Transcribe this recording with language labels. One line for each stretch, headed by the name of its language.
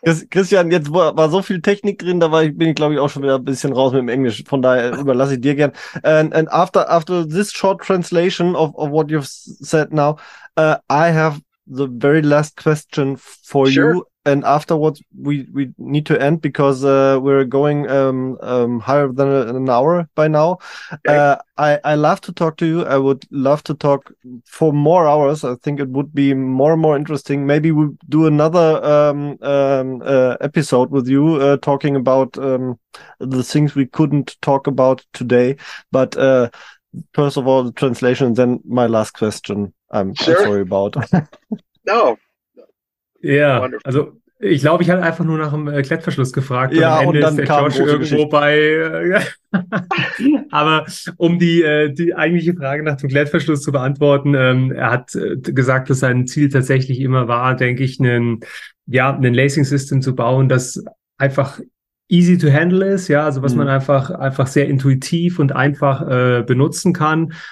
German: Christian, jetzt war so viel Technik drin, da bin ich glaube ich auch schon wieder ein bisschen raus mit dem Englisch. Von daher überlasse ich dir gern.
English: And after this short translation of what you've said now, I have the very last question for you. And afterwards we need to end because we're going higher than an hour by now. Okay. I love to talk to you. I would love to talk for more hours. I think it would be more and more interesting. Maybe we'll do another episode with you talking about the things we couldn't talk about today. But first of all, the translation, then my last question. I'm sorry about. No. Yeah. Wonderful.
German: Also, ich glaube, ich hatte einfach nur nach dem Klettverschluss gefragt. Ja, und am Ende und dann ist der Josh irgendwo bei. Aber um die eigentliche Frage nach dem Klettverschluss zu beantworten, er hat gesagt, dass sein Ziel tatsächlich immer war, denke ich, ein Lacing-System zu bauen, das einfach
English: easy to handle
German: ist, ja, also was man einfach sehr intuitiv und einfach benutzen kann.